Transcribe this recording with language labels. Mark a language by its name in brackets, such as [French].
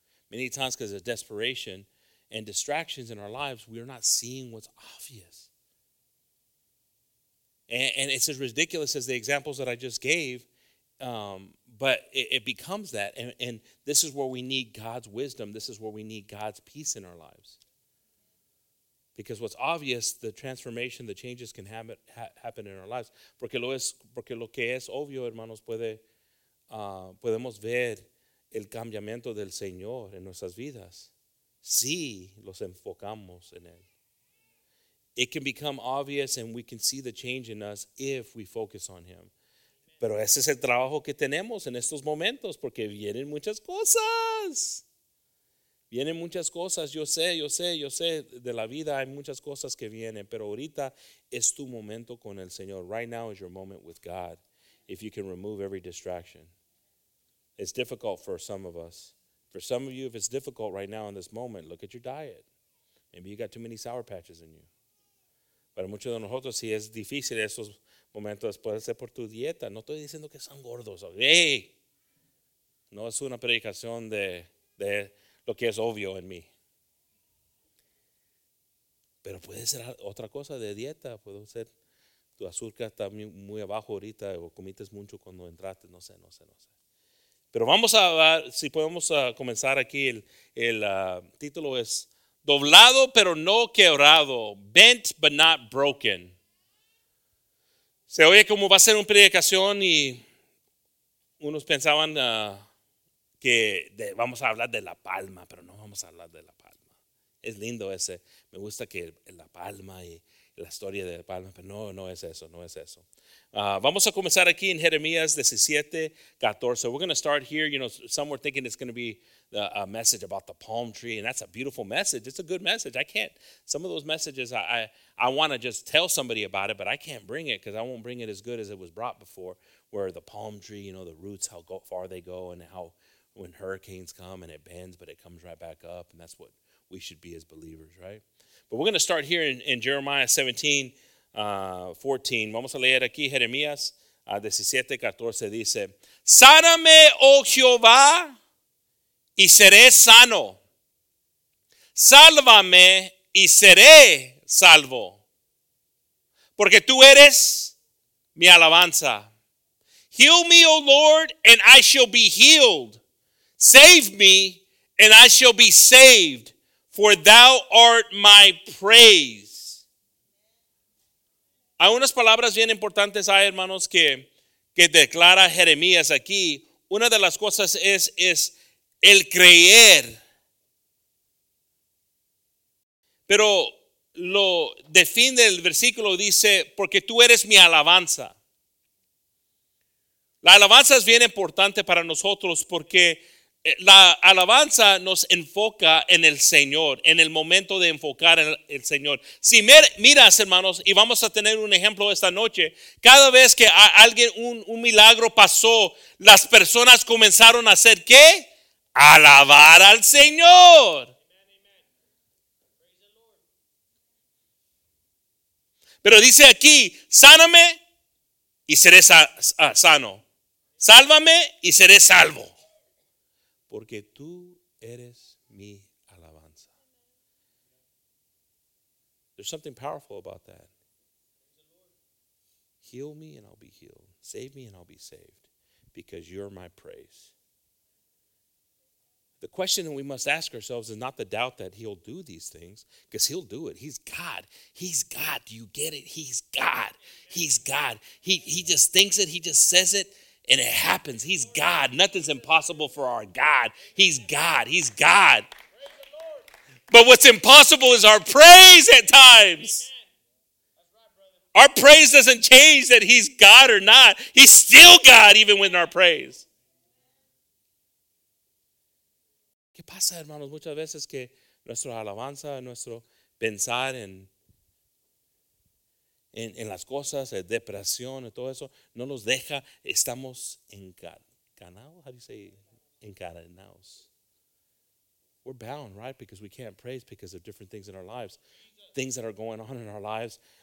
[English] Many times because of desperation and distractions in our lives, we are not seeing what's obvious. And it's as ridiculous as the examples that I just gave, but it becomes that. And this is where we need God's wisdom. This is where we need God's peace in our lives. Because what's obvious, the transformation, the changes can happen in our lives. [Spanish] Porque lo que es obvio, hermanos, podemos ver el cambiamiento del Señor en nuestras vidas si los enfocamos en Él. [English] It can become obvious and we can see the change in us if we focus on Him. [Spanish] Pero ese es el trabajo que tenemos en estos momentos porque vienen muchas cosas. Vienen muchas cosas, yo sé, de la vida hay muchas cosas que vienen, pero ahorita es tu momento con el Señor. [English] Right now is your moment with God, if you can remove every distraction. It's difficult for some of us. For some of you, if it's difficult right now in this moment, look at your diet. Maybe you got too many sour patches in you. [Spanish] Para muchos de nosotros, si es difícil esos momentos, puede ser por tu dieta. No estoy diciendo que son gordos. Hey! No es una predicación de lo que es obvio en mí. Pero puede ser otra cosa de dieta. Puede ser tu azúcar está muy abajo ahorita o comiste mucho cuando entraste. No sé. Pero vamos a ver si podemos comenzar aquí. El título es Doblado pero no quebrado. [English] Bent but not broken. [Spanish] Se oye como va a ser una predicación y unos pensaban... Que vamos a hablar de la palma, pero no vamos a hablar de la palma. Es lindo ese. me gusta que la palma y la historia de la palma, pero no es eso. Vamos a comenzar aquí en Jeremías 17:14. [English] We're going to start here. You know, some were thinking it's going to be a message about the palm tree, and that's a beautiful message. It's a good message. Some of those messages, I want to just tell somebody about it, but I can't bring it because I won't bring it as good as it was brought before, where the palm tree, you know, the roots, how far they go, and how when hurricanes come and it bends, but it comes right back up, and that's what we should be as believers, right? But we're going to start here in Jeremiah 17, 14. [Spanish] Vamos a leer aquí Jeremías 17, 14. Dice, sáname, oh Jehová, y seré sano. Sálvame, y seré salvo. Porque tú eres mi alabanza. [English] Heal me, O Lord, and I shall be healed. Save me, and I shall be saved, for thou art my praise. [Spanish] Hay unas palabras bien importantes, hay hermanos, que declara Jeremías aquí. Una de las cosas es el creer. Pero lo define el versículo, dice, porque tú eres mi alabanza. La alabanza es bien importante para nosotros porque la alabanza nos enfoca en el Señor, en el momento de enfocar en el Señor. Si miras, hermanos, y vamos a tener un ejemplo esta noche, cada vez que alguien, un milagro pasó, las personas comenzaron a hacer ¿qué? Alabar al Señor. Pero dice aquí, sáname y seré sano. Sálvame y seré salvo, porque tú eres mi alabanza. [English] There's something powerful about that. Heal me and I'll be healed. Save me and I'll be saved, because you're my praise. The question that we must ask ourselves is not the doubt that he'll do these things, because he'll do it. He's God. He's God. Do you get it? He's God. He's God. He just thinks it. He just says it. And it happens. He's God. Nothing's impossible for our God. He's God. He's God. But what's impossible is our praise at times. Our praise doesn't change that he's God or not. He's still God even with our praise. [Spanish] ¿Qué pasa, hermanos? Muchas veces que nuestra alabanza, nuestro pensar en las cosas, en depresión y todo eso, no nos deja, estamos encadenados. [English] How do you say encadenados? We're bound, right? Because we can't praise because of different things in our lives. Things that are going on in our lives.